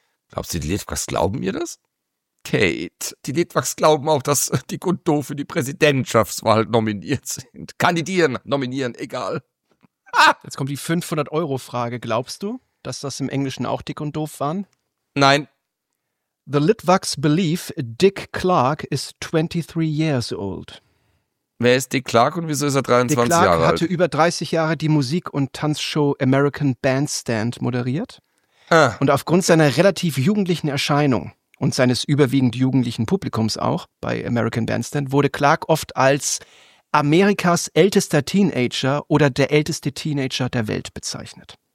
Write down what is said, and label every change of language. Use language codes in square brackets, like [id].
[de] Glaubst du, die Litwaks glauben ihr das? Kate, die Litwaks glauben auch, dass die Gundo für die Präsidentschaftswahl nominiert sind. Kandidieren, nominieren, egal. Jetzt kommt die 500-Euro-Frage. Glaubst du, dass das im Englischen auch dick und doof waren? Nein. [en] The Litwaks believe Dick Clark is 23 years old. [de] Wer ist Dick Clark und wieso ist er 23 Jahre alt? Dick Clark hatte über 30 Jahre die Musik- und Tanzshow American Bandstand moderiert. Ah. Und aufgrund seiner relativ jugendlichen Erscheinung und seines überwiegend jugendlichen Publikums auch bei American Bandstand wurde Clark oft als Amerikas ältester Teenager oder der älteste Teenager der Welt bezeichnet.